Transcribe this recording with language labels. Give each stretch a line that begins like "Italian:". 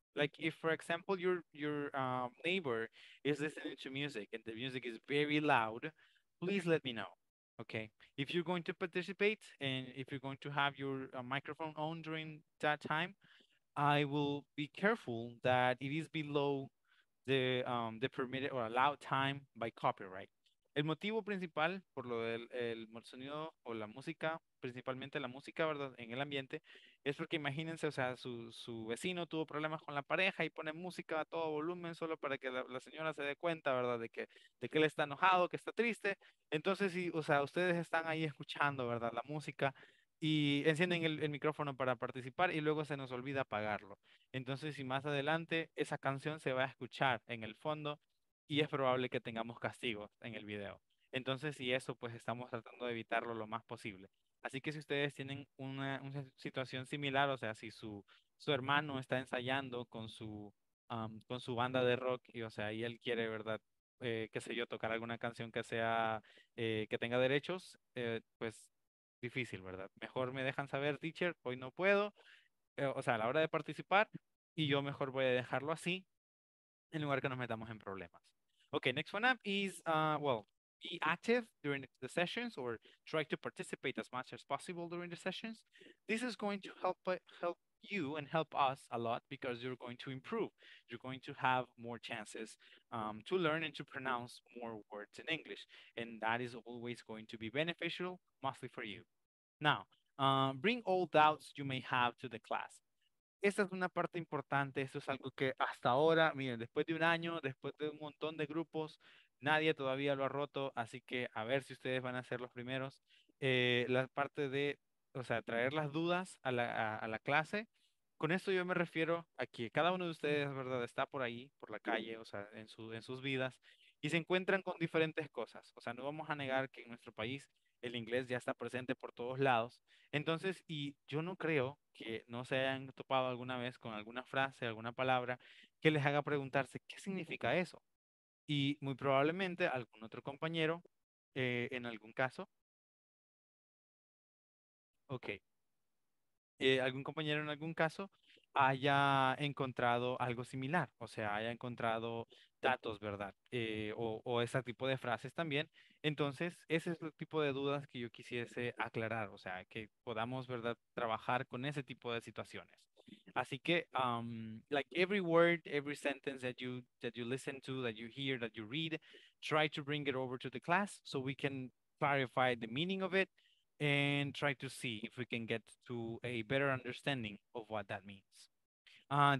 English: Like if, for example, your neighbor is listening to music and the music is very loud, please let me know, okay? If you're going to participate and if you're going to have your microphone on during that time, I will be careful that it is below the permitted or allowed time by copyright.
Spanish: El motivo principal por lo del el sonido o la música, principalmente la música, ¿verdad?, en el ambiente, es porque imagínense, o sea, su vecino tuvo problemas con la pareja y pone música a todo volumen solo para que la señora se dé cuenta, ¿verdad?, de que él está enojado, que está triste. Entonces, sí, o sea, ustedes están ahí escuchando, ¿verdad?, la música y encienden el micrófono para participar y luego se nos olvida apagarlo. Entonces, si más adelante esa canción se va a escuchar en el fondo. Y es probable que tengamos castigos en el video. Entonces, y eso, pues estamos tratando de evitarlo lo más posible. Así que si ustedes tienen una situación similar, o sea, si su hermano está ensayando con su banda de rock, y o sea, y él quiere, ¿verdad?, qué sé yo, tocar alguna canción que sea, que tenga derechos, pues difícil, ¿verdad? Mejor me dejan saber, teacher, hoy no puedo, o sea, a la hora de participar, y yo mejor voy a dejarlo así. En lugar que nos metamos en problemas.
English: Okay, next one up is, well, be active during the sessions or try to participate as much as possible during the sessions. This is going to help you and help us a lot because you're going to improve. You're going to have more chances to learn and to pronounce more words in English. And that is always going to be beneficial, mostly for you. Now, bring all doubts you may have to the class.
Spanish: Esa es una parte importante. Eso es algo que hasta ahora, miren, después de un año, después de un montón de grupos, nadie todavía lo ha roto. Así que a ver si ustedes van a ser los primeros. La parte de, o sea, traer las dudas a la clase. Con esto yo me refiero a que cada uno de ustedes, ¿verdad?, está por ahí, por la calle, o sea, en sus vidas, y se encuentran con diferentes cosas. O sea, no vamos a negar que en nuestro país el inglés ya está presente por todos lados. Entonces, y yo no creo que no se hayan topado alguna vez con alguna frase, alguna palabra que les haga preguntarse, ¿qué significa eso? Y muy probablemente algún otro compañero, en algún caso, algún compañero en algún caso haya encontrado algo similar, o sea, haya encontrado datos, ¿verdad? O ese tipo de frases también. Entonces, ese es el tipo de dudas que yo quisiese aclarar, o sea, que podamos, ¿verdad?, trabajar con ese tipo de situaciones. Así que,
English: like every word, every sentence that you listen to, that you hear, that you read, try to bring it over to the class so we can clarify the meaning of it. And try to see if we can get to a better understanding of what that means.